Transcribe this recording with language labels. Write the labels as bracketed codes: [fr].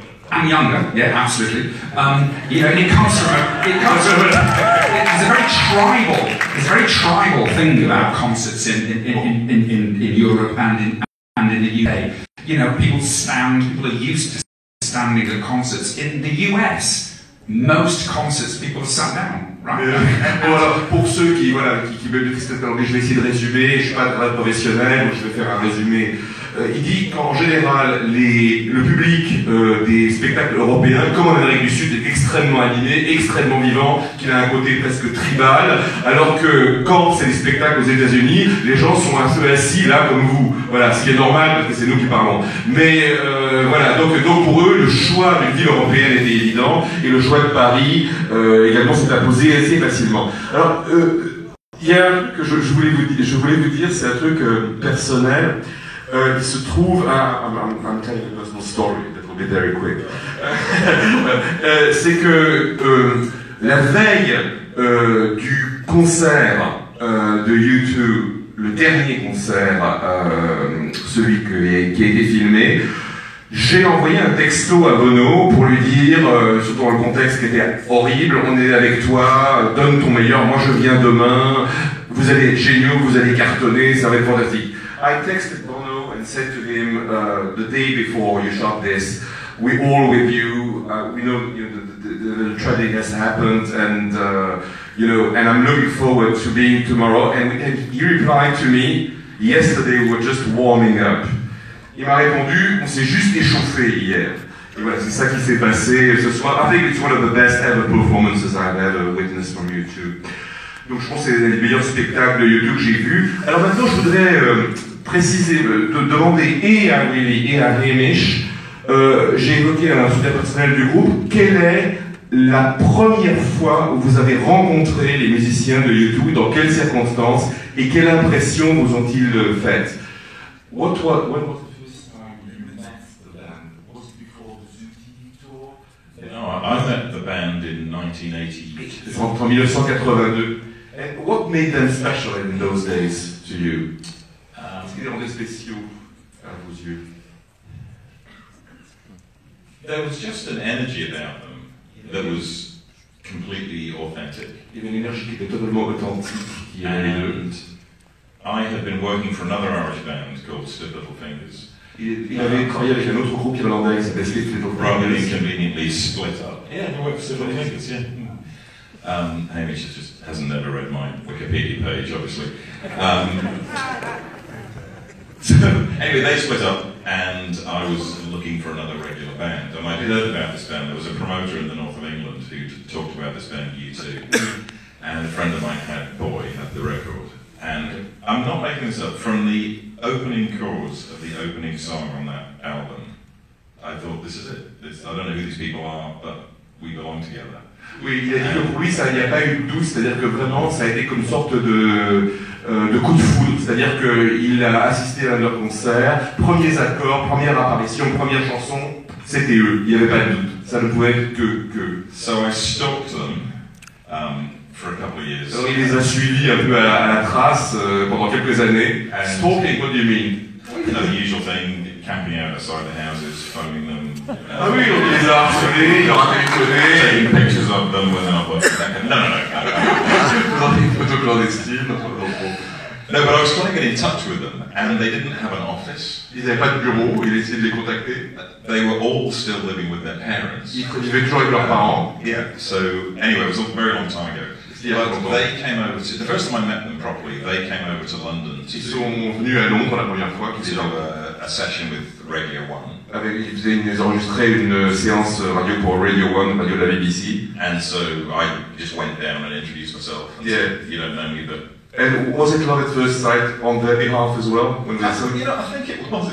[en] And younger, yeah, absolutely. And it's a very tribal thing about concerts in Europe and in the UK. You know, people are used to standing at concerts. In the US, most concerts, people sat down, Right. [fr] Bon, alors, pour ceux qui, voilà, qui veulent dire ce que c'est, je vais essayer de résumer, je ne suis pas un professionnel, je vais faire un résumé. Il dit qu'en général, le public des spectacles européens, comme en Amérique du Sud, est extrêmement animé, extrêmement vivant, qu'il a un côté presque tribal, alors que quand c'est des spectacles aux États-Unis, les gens sont un peu assis là, comme vous. Voilà, ce qui est normal, parce que c'est nous qui parlons. Mais voilà, donc pour eux, le choix d'une ville européenne était évident, et le choix de Paris également s'est imposé assez facilement. Alors, il y a un truc que je voulais vous dire, c'est un truc personnel. Il se trouve à... [en] I'm telling you a personal story, that will be very quick. [fr] c'est que la veille du concert de YouTube, le dernier concert, celui qui a été filmé, j'ai envoyé un texto à Bono pour lui dire, surtout dans le contexte qui était horrible, on est avec toi, donne ton meilleur, moi je viens demain, vous allez être géniaux, vous allez cartonner, ça va être fantastique. [en] I texted Bono and said to him, the day before you shot this, we're all with you, we know, the tragedy has happened, and you know, and I'm looking forward to being tomorrow, and he replied to me, yesterday we were just warming up. [fr] Il m'a répondu, on s'est juste échauffé hier. Et voilà, c'est ça qui s'est passé ce soir. [en] I think it's one of the best ever performances I've ever witnessed from YouTube. [fr] Donc je pense que c'est un des meilleurs spectacles de YouTube que j'ai vu. Alors maintenant, je voudrais préciser, demander et à Willie et à Hamish, j'ai évoqué dans un soutien personnel du groupe, quelle est la première fois où vous avez rencontré les musiciens de YouTube, dans quelles circonstances, et quelle impression vous ont-ils faites? [en] What was the first time you met the band? Was it before the Zoom tour? No, I met the band in 1988. [fr] En 1982. [en] And what made them special in those days to you? [fr] Qu'est-ce qui rendait spéciaux à vos yeux? [en] There was just an energy about them that was completely authentic. [fr] Il y avait une énergie qui était totalement authentique. [en] And I had been working for another Irish band called Stiff Little Fingers. [fr] Il avait travaillé avec un autre groupe irlandais qui s'appelait Stiff Little Fingers. [en] Rather inconveniently split up. Yeah, I worked for Stiff Little Fingers, yeah. Hamish just hasn't ever read my Wikipedia page, obviously. So, anyway, they split up, and I was looking for another regular band. And I'd heard about this band. There was a promoter in the north of England who talked about this band, U2. And a friend of mine had the record. And I'm not making this up. From the opening chords of the opening song on that album, I thought, this is it. I don't know who these people are, but we belong together. [fr] Oui, il a dit que pour lui, ça n'y a pas eu de doute, c'est-à-dire que vraiment, ça a été comme une sorte de coup de foudre. C'est-à-dire qu'il a assisté à leur concert, premiers accords, première apparition, première chanson, c'était eux, il n'y avait pas de doute. Ça ne pouvait être que. [en] So I stalked them for a couple of years. [fr] Alors il les a suivis un peu à la trace pendant quelques années. [en] And stalking, what do you mean? No, the usual thing, camping out outside the houses, phoning them. [fr] Ah oui, on les a harcelés, ils ont téléphoné. [en] Taking pictures of them when they're not working. No. [fr] Photo clandestine. [en] No, but I was trying to get in touch with them, and they didn't have an office. [fr] Ils n'avaient pas de bureau, ils essayaient de les contacter. [en] They were all still living with their parents. [fr] Ils vivaient toujours avec leurs parents. [en] Yeah, so anyway, it was a very long time ago. The first time I met them properly, they came over to London. [fr] Ils sont venus à Londres la première fois. Ils ont [en] a session with Radio 1. [fr] Ils enregistraient une séance radio pour Radio 1, radio de la BBC. [en] And so I just went down and introduced myself. And yeah. Said, you don't know me, but... And was it love at first sight on their behalf as well? When they said, you know, I think it was.